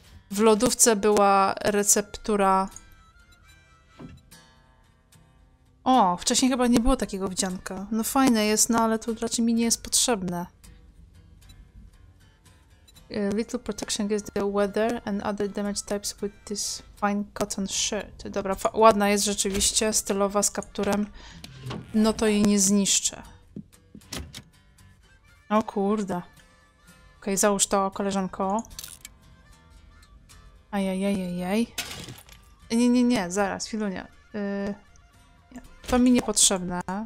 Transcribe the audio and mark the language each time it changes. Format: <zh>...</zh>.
<pl>W lodówce była receptura... O, wcześniej chyba nie było takiego widzianka. No fajne jest, no ale to raczej mi nie jest potrzebne.</pl> <en>Little protection against the weather and other damage types with this fine cotton shirt.</en> <pl>Dobra, ładna jest rzeczywiście, stylowa, z kapturem. No to jej nie zniszczę. O kurde. Okej, załóż to, koleżanko. Ajajajajaj. Nie, nie, nie, zaraz, chwilunia. To mi niepotrzebne.</pl>